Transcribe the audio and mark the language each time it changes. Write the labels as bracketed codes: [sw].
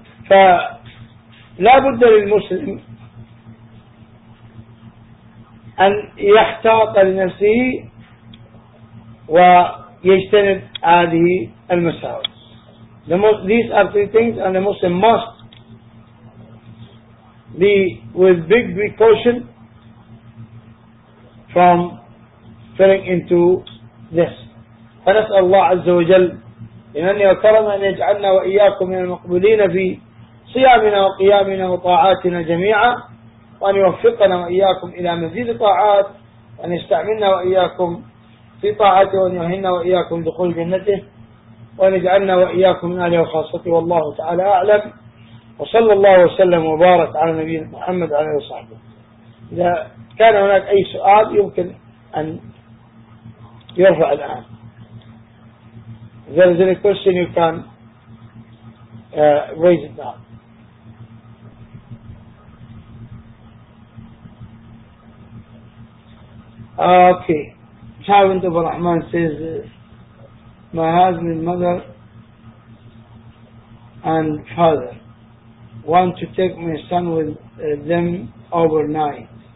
[ar] فلا بد للمسلم أن يحتاط لنفسه ويجتنب هذه المساوئ. [en] These are three things, and the Muslim must be with big precaution from falling into this. [ar] فنسأل الله عز وجل لمن يكرم أن يجعلنا وإياكم من المقبولين في صيامنا وقيامنا وطاعاتنا جميعا, وأن يوفقنا وإياكم إلى مزيد طاعات, أن يستعملنا وإياكم في طاعته, وأن يهنا وإياكم دخول جنته, وأن يجعلنا وإياكم من أهله وخاصته, والله تعالى أعلم. وصلى الله وسلم وبارك على نبينا محمد عليه وصحبه. إذا كان هناك أي سؤال يمكن أن يرفع الآن. إذا [en] there is any question you can raise it now. Okay. Servant of Rahman says my husband, mother and father want to take my son with them overnight.